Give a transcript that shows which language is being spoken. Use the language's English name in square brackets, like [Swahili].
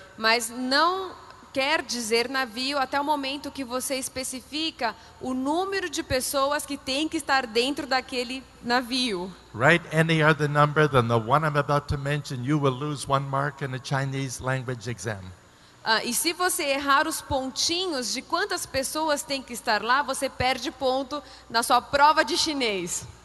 [Portuguese] Mas não quer dizer navio até o momento que você especifica o número de pessoas que tem que estar dentro daquele navio. [English] Write any other number than the one I'm about to mention, you will lose one mark in a Chinese language exam. [Portuguese] E se você errar os pontinhos de quantas pessoas tem que estar lá, você perde ponto na sua prova de chinês.